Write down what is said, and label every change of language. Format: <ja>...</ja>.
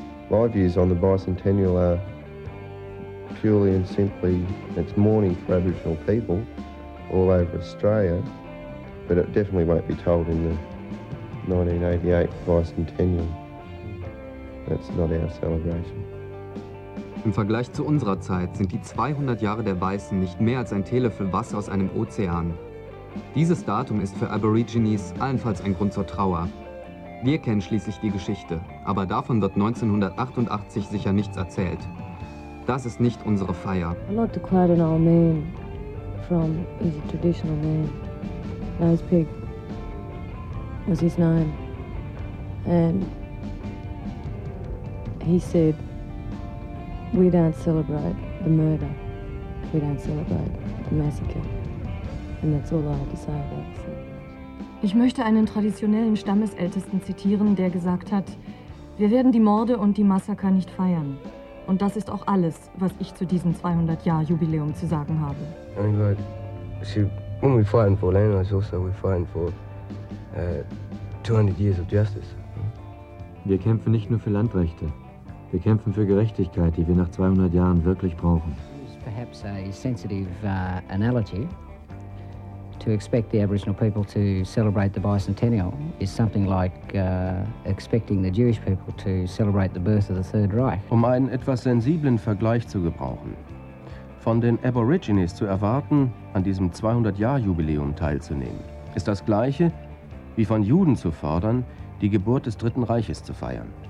<en>My views on the bicentennial are purely and simply it's mourning for Aboriginal people all over Australia, but it definitely won't be told in the 1988 bicentennial. That's not our celebration.</en> <de>Im Vergleich zu unserer Zeit sind die 200 Jahre der Weißen nicht mehr als ein Teelöffel Wasser aus einem Ozean. Dieses Datum ist für Aborigines allenfalls ein Grund zur Trauer. Wir kennen schließlich die Geschichte, aber davon wird 1988 sicher nichts erzählt. Das ist nicht unsere Feier.</de> <en>I'm not quite an old man from he's a traditional man. Nice Pig was his name. And he said, we don't celebrate the murder. We don't celebrate the massacre. And that's all I had to say about it.</en> <de>Ich möchte einen traditionellen Stammesältesten zitieren, der gesagt hat, wir werden die Morde und die Massaker nicht feiern. Und das ist auch alles, was ich zu diesem 200-Jahr-Jubiläum zu sagen habe.</de> <en>Anyway, see, when we're fighting for land, it's also we're fighting for 200 years of justice.</en> <de>Wir kämpfen nicht nur für Landrechte. Wir kämpfen für Gerechtigkeit, die wir nach 200 Jahren wirklich brauchen.</de> <en>It's perhaps a sensitive analogy. To expect the Aboriginal people to celebrate the bicentennial is something like expecting the Jewish people to celebrate the birth of the Third Reich.</en> <de>Um einen etwas sensiblen Vergleich zu gebrauchen. Von den Aborigines zu erwarten, an diesem 200-Jahr-Jubiläum teilzunehmen, ist das gleiche, wie von Juden zu fordern, die Geburt des Dritten Reiches zu feiern.</de>